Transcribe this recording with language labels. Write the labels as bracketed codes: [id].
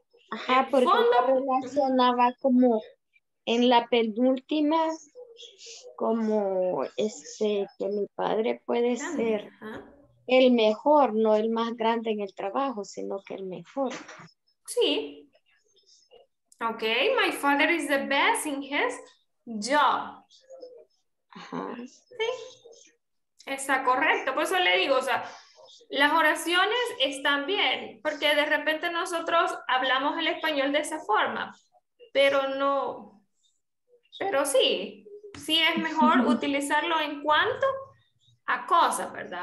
[es] Ajá, porque fondo relacionaba como en la penúltima, como este, que mi padre puede grande, ser, ¿eh? El mejor, no el más grande en el trabajo, sino que el mejor. Sí. [en] Okay, my father is the best in his job. [es] Sí, está correcto. Por eso le digo, o sea, las oraciones están bien, porque de repente nosotros hablamos el español de esa forma, pero no, pero sí, sí es mejor utilizarlo en cuanto a cosas, ¿verdad?